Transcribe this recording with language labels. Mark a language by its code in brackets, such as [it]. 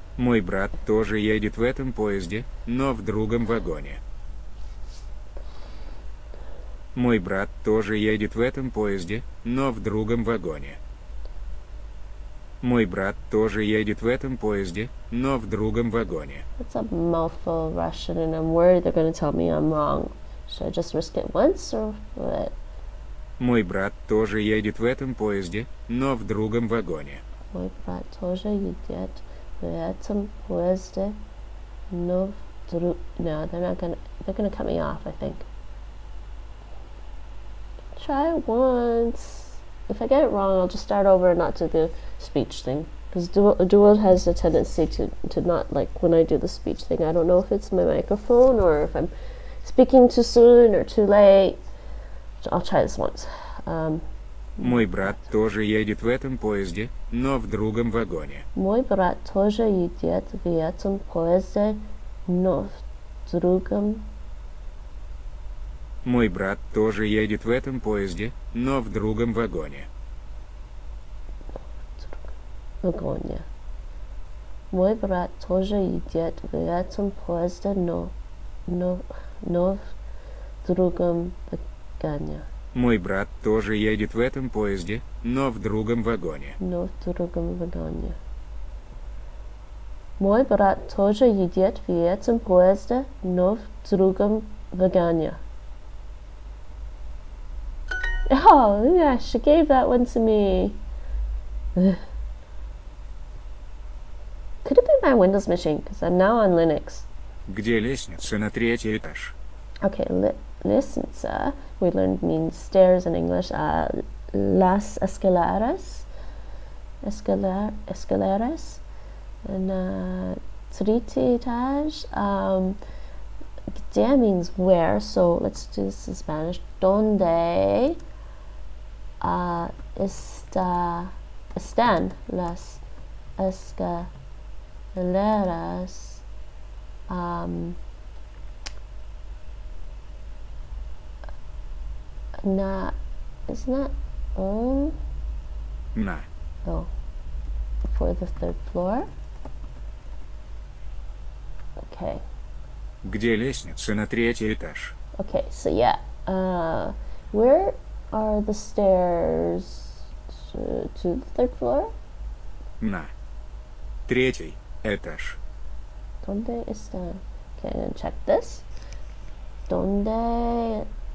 [ru] Мой брат тоже едет в этом поезде, но в другом вагоне. Мой брат тоже едет в этом поезде, но в другом вагоне. Мой брат тоже едет в этом поезде, но в другом вагоне. [en] It's a mouthful of Russian, and I'm worried they're gonna tell me I'm wrong. Should I just risk it once or what? [ru] Мой брат тоже едет в этом поезде, но в другом вагоне. Мой брат тоже едет в этом поезде, но вдруг. [en] No, they're gonna cut me off, I think. Try once. If I get it wrong, I'll just start over and not do the speech thing. Because Duol has a tendency to not like when I do the speech thing. I don't know if it's my microphone or if I'm speaking too soon or too late. So I'll try this once. [ru] Мой брат тоже едет в этом поезде, но в другом вагоне. Мой брат тоже едет в этом поезде, но в другом. Мой брат тоже едет в этом поезде, но в другом вагоне. Вагоне. Мой брат тоже едет в этом поезде, но в другом вагоне. Мой брат тоже едет в этом поезде, но в другом вагоне. Но в другом вагоне. Мой брат тоже едет в этом поезде, но в другом вагоне. [en] Oh, yeah, she gave that one to me. Could it be my Windows machine? Because I'm now on Linux. [ru] Где лестница на третий этаж? [en] Okay, лестница, we learned means stairs in English. [es] Las escaleras. Escaleras. [en] And tritage. Где means where. So let's do this in Spanish. [es] Donde están las escaleras. [en] Escaleras, not, isn't that on? No. Oh, for the third floor? Okay. [ru] Где лестница на третий этаж? [en] Okay, so yeah, where are the stairs to the third floor? [ru] На третий этаж. [es] Donde está? [en] Okay, and check this. Donde?